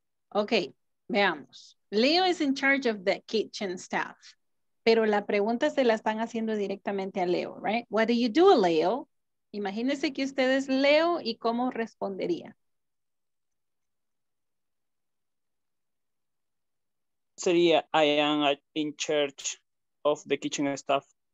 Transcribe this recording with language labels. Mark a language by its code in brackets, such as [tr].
[es] Okay, veamos. [en] Leo is in charge of the kitchen staff. [es] Pero la pregunta se la están haciendo directamente a Leo, right? [en] What do you do, Leo? [es] Imagínense que usted es Leo y cómo respondería. Sería, [en] I am in charge of the kitchen staff.